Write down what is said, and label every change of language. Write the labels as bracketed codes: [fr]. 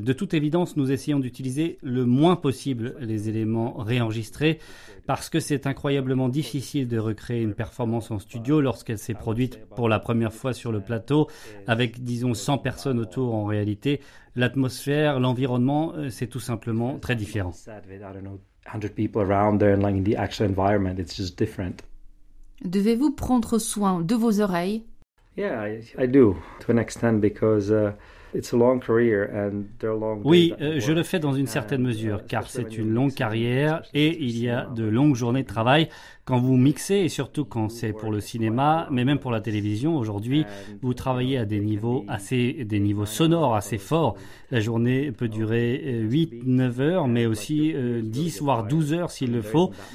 [fr] De toute évidence, nous essayons d'utiliser le moins possible les éléments réenregistrés parce que c'est incroyablement difficile de recréer une performance en studio lorsqu'elle s'est produite pour la première fois sur le plateau avec, disons, 100 personnes autour en réalité. L'atmosphère, l'environnement, c'est tout simplement très différent. [en] 100 people around there and like in the actual environment, it's just different. [fr] Devez-vous prendre soin de vos oreilles? [en] Yeah, I do, to an extent, because it's a long career and they're long. [fr] Oui, je le fais dans une certaine mesure, car c'est une longue carrière et il y a de longues journées de travail. Quand vous mixez, et surtout quand c'est pour le cinéma, mais même pour la télévision, aujourd'hui, vous travaillez à des niveaux sonores assez forts. La journée peut durer 8, 9 heures, mais aussi 10, voire 12 heures s'il le faut.